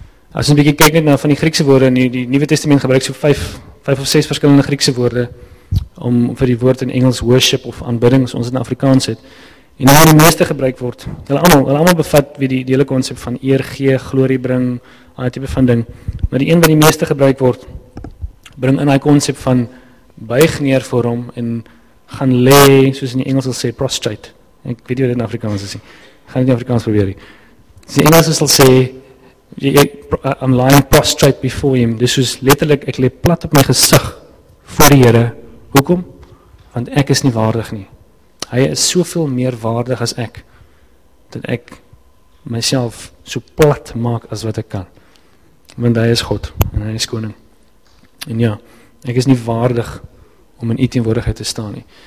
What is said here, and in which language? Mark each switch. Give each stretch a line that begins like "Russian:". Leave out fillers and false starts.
Afrikaans: As ons bykie kyk net na van die Griekse woorde, en die Nieuwe Testament gebruik so 5 of 6 verskillende Griekse woorde, om vir die woord in Engels worship of aanbidding, soos ons in Afrikaans het, en nou die meeste gebruik word, hulle allemaal bevat wie die hele concept van eer gee, glorie bring, die type van ding, maar die een wat die meeste gebruik word, bring in die concept van buig neer voor hom, en gaan le, soos in die Engels sal sê, prostrate. Ek weet nie wat dit in Afrikaans is nie. Ga nie in Afrikaans probeer nie. So die Engels sal sê,
English: I'm lying prostrate before him.
Afrikaans: Dis soos letterlik, ek leep plat op my gezig voor die Here. Hoekom? Want ek is nie waardig nie. Hy is soveel meer waardig as ek, dat ek myself so plat maak as wat ek kan. Want hy is God, en hy is koning. En ja, ek is nie waardig om in die teenwoordigheid te staan nie.